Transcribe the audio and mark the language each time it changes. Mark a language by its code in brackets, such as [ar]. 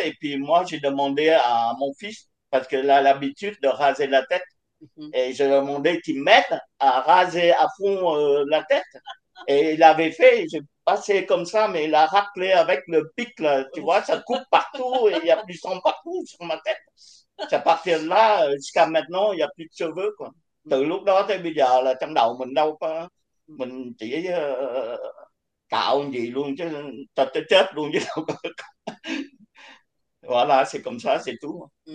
[fr] Et puis moi, j'ai demandé à mon fils, parce qu'il a l'habitude de raser la tête, et j'ai demandé qu'il m'aide à raser à fond la tête. Et il l'avait fait. Passé comme ça, mais il a raclé avec le pic, là, tu vois, ça coupe partout et il y a plus de sang partout sur ma tête. C'est à partir de là, jusqu'à maintenant, il n'y a plus de cheveux, quoi. [vi] Từ lúc đó tới bây giờ là trong đầu mình đâu có, mình chỉ cạo gì luôn chứ, ta chết luôn chứ đâu có. [fr] Voilà, là c'est comme ça, c'est tout.